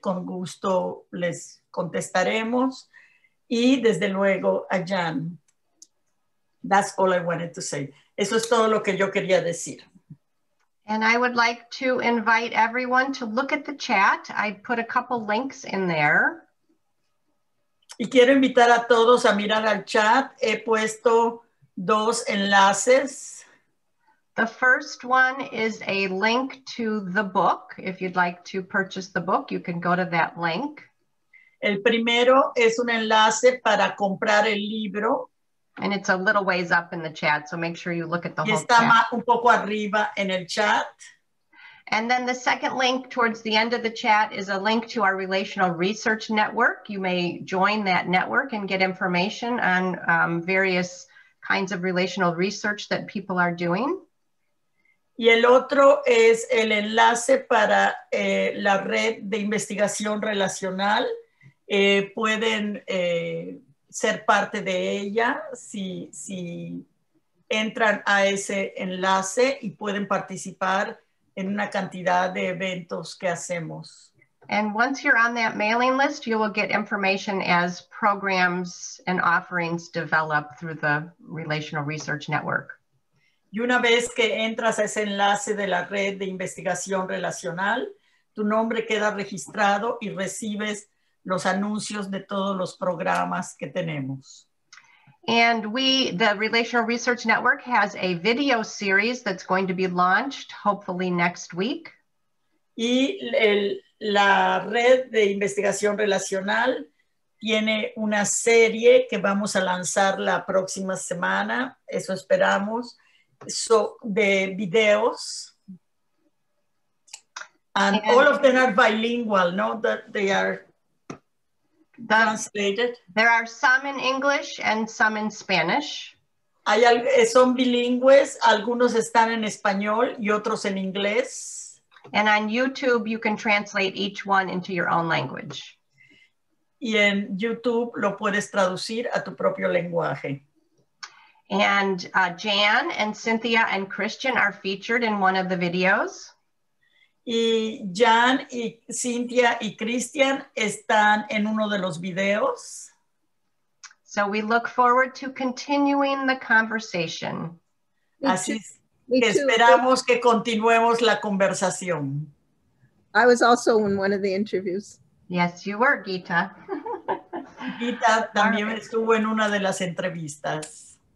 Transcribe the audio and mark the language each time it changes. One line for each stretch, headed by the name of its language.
Spanish: Con gusto les contestaremos. Y desde luego a Jan.
English: That's all I wanted to say.
Spanish: Eso es todo lo que yo quería decir.
English: And I would like to invite everyone to look at the chat. I put a couple links in there.
Spanish: Y quiero invitar a todos a mirar al chat. He puesto dos enlaces.
English: The first one is a link to the book. If you'd like to purchase the book, you can go to that link.
Spanish: El primero es un enlace para comprar el libro.
English: And it's a little ways up in the chat, so make sure you look at the whole chat.
Spanish: Y está un poco arriba en el chat.
English: And then the second link towards the end of the chat is a link to our Relational Research Network. You may join that network and get information on various kinds of relational research that people are doing.
Spanish: Y el otro es el enlace para la red de investigación relacional. Pueden ser parte de ella si entran a ese enlace y pueden participar en una cantidad de eventos que hacemos.
English: And once you're on that mailing list, you will get information as programs and offerings develop through the Relational Research Network.
Spanish: Y una vez que entras a ese enlace de la red de investigación relacional, tu nombre queda registrado y recibes los anuncios de todos los programas que tenemos.
English: And the Relational Research Network has a video series that's going to be launched hopefully next week.
Spanish: Y la red de investigación relacional tiene una serie que vamos a lanzar la próxima semana, eso esperamos, de videos.
English: And all of them are bilingual, no? That they are translated. There are some in English and some in Spanish.
Spanish: Son bilingües, algunos están en español y otros en inglés.
English: And on YouTube, you can translate each one into your own language.
Spanish: Y en YouTube lo puedes traducir a tu propio lenguaje.
English: And Jan and Cynthia and Christian are featured in one of the videos.
Spanish: Y Jan y Cynthia y Christian están en uno de los videos.
English: So we look forward to continuing the conversation.
Spanish: Así es. Me esperamos too. Que continuemos la conversación.
English: I was also in one of the interviews. Yes, you were, Gita.
Spanish: Gita también estuvo en una de las entrevistas.